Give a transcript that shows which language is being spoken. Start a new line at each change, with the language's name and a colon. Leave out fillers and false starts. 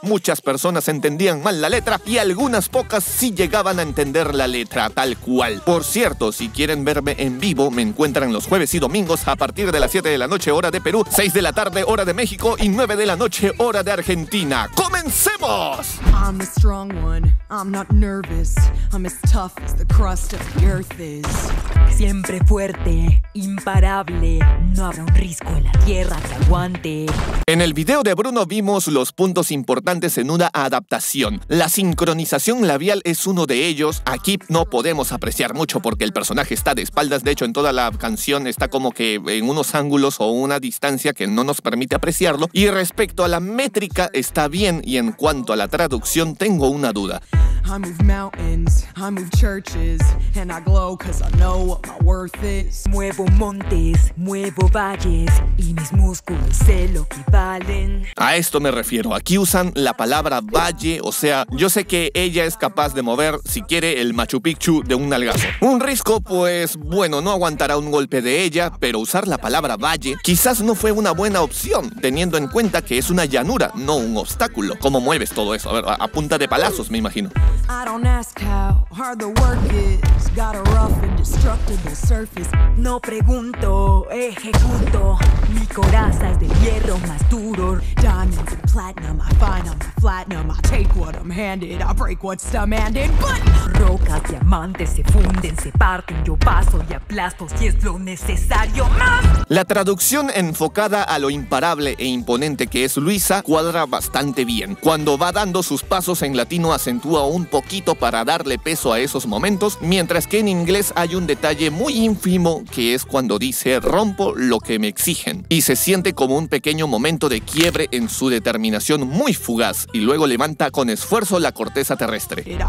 Spanish: Muchas personas entendían mal la letra y algunas pocas sí llegaban a entender la letra tal cual. Por cierto, si quieren verme en vivo, me encuentran los jueves y domingos a partir de las 7 de la noche hora de Perú, 6 de la tarde hora de México y 9 de la noche hora de Argentina. ¡Comencemos!
English: I'm a strong one, I'm not nervous, I'm as tough as the crust of the earth is.
Spanish: Siempre fuerte, imparable, no habrá un risco en la tierra que aguante. En el video de Bruno vimos los puntos importantes en una adaptación. La sincronización labial es uno de ellos. Aquí no podemos apreciar mucho porque el personaje está de espaldas. De hecho, en toda la canción está como que en unos ángulos o una distancia que no nos permite apreciarlo. Y respecto a la métrica, está bien. Y en cuanto a la traducción, tengo una duda.
English: I move mountains, I move churches, and I glow 'cause I know what my worth is.
Spanish: Muevo montes, muevo valles, y mis músculos sé lo que valen. A esto me refiero. Aquí usan la palabra valle, o sea, yo sé que ella es capaz de mover, si quiere, el Machu Picchu de un nalgazo. Un risco, pues, bueno, no aguantará un golpe de ella, pero usar la palabra valle quizás no fue una buena opción, teniendo en cuenta que es una llanura, no un obstáculo. ¿Cómo mueves todo eso? A ver, a punta de palazos, me imagino.
English: I don't ask how hard the work is, got a rough and destructible surface.
Spanish: No pregunto, ejecuto, mi coraza es de hierro más duro.
English: Diamonds and platinum, I find on my platinum. I take what I'm handed, I break what's demanded, but...
Spanish: Rocas, diamantes se funden, se parten, yo paso y aplasto si es lo necesario más. La traducción enfocada a lo imparable e imponente que es Luisa cuadra bastante bien. Cuando va dando sus pasos en latino acentúa un poquito para darle peso a esos momentos, mientras que en inglés hay un detalle muy ínfimo que es cuando dice "rompo lo que me exigen", y se siente como un pequeño momento de quiebre en su determinación muy fugaz, y luego levanta con esfuerzo la corteza terrestre.